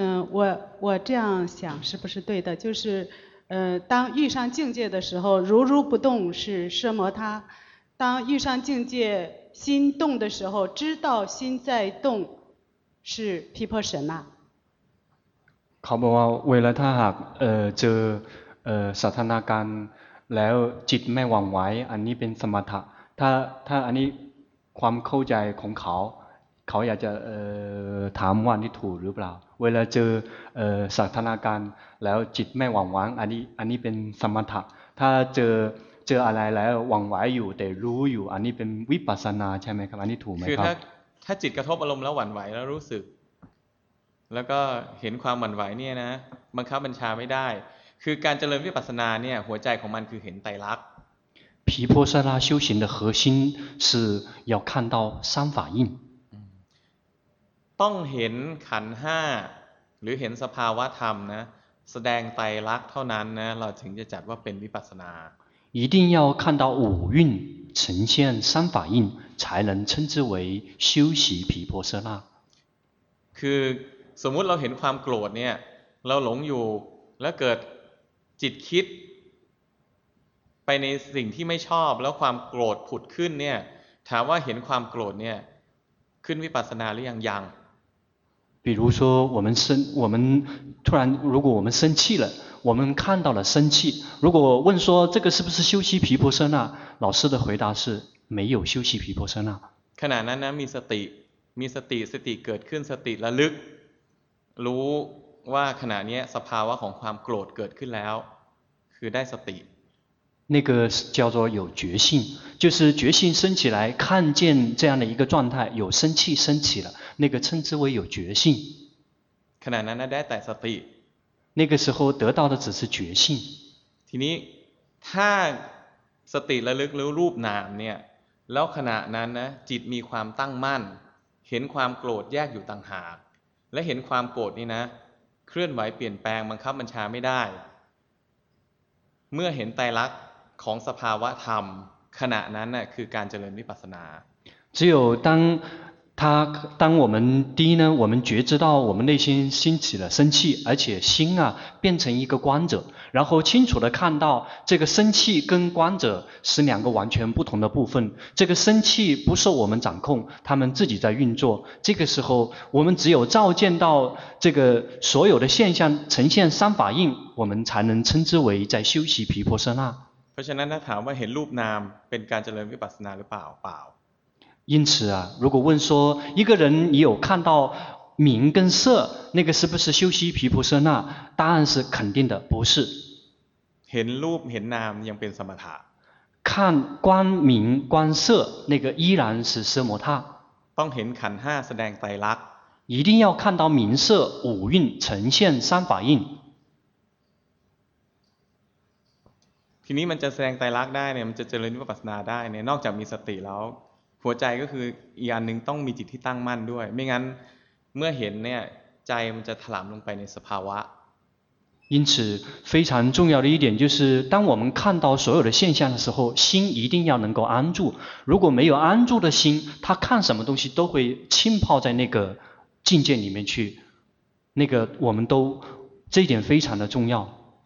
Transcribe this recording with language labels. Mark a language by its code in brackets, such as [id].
[zh] 我这样想是不是对的就是当遇上境界的时候如如不动是奢摩他当遇上境界心动的时候知道心在动是毗婆舍那。 [th] เขาบอกว่าเวลาถ้าหากเจอสถานการณ์แล้วจิตไม่หวั่นไหวอันนี้เป็นสมถะถ้าอันนี้ความเข้าใจของเขาอยากจะถามว่านี่ถูกหรือเปล่าเวลาเจอสถานการณ์แล้วจิตไม่หวั่นไหวอันนี้เป็นสมถะถ้าเจออะไรแล้วหวั่นไหวอยู่แต่รู้อยู่อันนี้เป็นวิปัสสนาใช่ไหมครับอันนี้ถูกไหมครับ คือถ้าจิตกระทบอารมณ์แล้วหวั่นไหวแล้วรู้สึกแล้วก็เห็นความหวั่นไหวเนี่ยนะบังคับบัญชาไม่ได้คือการเจริญวิปัสสนาเนี่ยหัวใจของมันคือเห็นไตรลักษณ์ [zh] 毗婆舍那修行的核心是要看到三法印 [th] ต้องเห็นขันธ์5หรือเห็นสภาวะธรรมนะแสดงไตรลักษณ์เท่านั้นนะเราถึงจะจัดว่าเป็นวิปัสสนา [zh] 一定要看到五蕴呈现三法印才能称之为修习毗婆舍那 [th] คือสมมุติเราเห็นความโกรธเนี่ยเราหลงอยู่แล้วเกิดจิตคิดไปในสิ่งที่ไม่ชอบแล้วความโกรธผุดขึ้นเนี่ยถามว่าเห็นความโกรธเนี่ยขึ้นวิปัสสนาหรือยัง [zh] 比如说我们突然如果我们生气了我们看到了生气如果问说这个是不是修习毗婆舍那老师的回答是没有修习毗婆舍那 [th] ขณะนั้นนะมีสติเกิดขึ้นสติระลึกรู้ว่าขณะนี้สภาวะของความโกรธเกิดขึ้นแล้วคือได้สติ [zh] 那个叫做有觉性就是觉性升起来看见这样的一个状态有生气升起了那个称之为有觉性 [th] ขณะนั้นได้แต่สติ [zh] 那个时候得到的只是觉性 [th] ทีนี้ถ้าสติระลึกรู้รูปนามเนี่ยแล้วขณะนั้นนะจิตมีความตั้งมั่นเห็นความโกรธแยกอยู่ต่างหากและเห็นความโกรธนี่นะเคลื่อนไหวเปลี่ยนแปลงบังคับบัญชาไม่ได้เมื่อเห็นไตรลักษณ์ของสภาวะธรรมขณะนั้นน่ะคือการเจริญวิปัสสนา [zh] 只有当我们第一呢我们觉知到我们内心兴起了生气而且心啊变成一个观者然后清楚地看到这个生气跟观者是两个完全不同的部分这个生气不受我们掌控他们自己在运作这个时候我们只有照见到这个所有的现象呈现三法印我们才能称之为在修习毗婆舍那 [th] เพราะฉะนั้นถ้าถามว่าเห็นรูปนามเป็นการเจริญวิปัสสนาหรือเปล่าเปล่า [zh] 因此啊如果问说一个人你有看到名跟色那个是不是修习毗婆舍那答案是肯定的不是 [th] เห็นรูปเห็นนามยังเป็นสมถะ [zh] 看光明光色那个依然是奢摩他 [th] ต้องเห็นขันธ์5แสดงไตรลักษ [zh] ณ์一定要看到名色五蕴呈现三法印 [th] ทีนี้มันจะแสดงไตรลักษณ์ได้เนี่ยมันจะเจริญวิปัสสนาได้เนี่ยนอกจากมีสติแล้วหัวใจก็คืออีกอันนึงต้องมีจิตที่ตั้งมั่นด้วยไม่งั้นเมื่อเห็นเนี่ยใจมันจะถลำลงไปในสภาวะ [zh] 因此非常重要的一点就是当我们看到所有的现象的时候心一定要能够安住如果没有安住的心他看什么东西都会浸泡在那个境界里面去那个我们都这一点非常的重要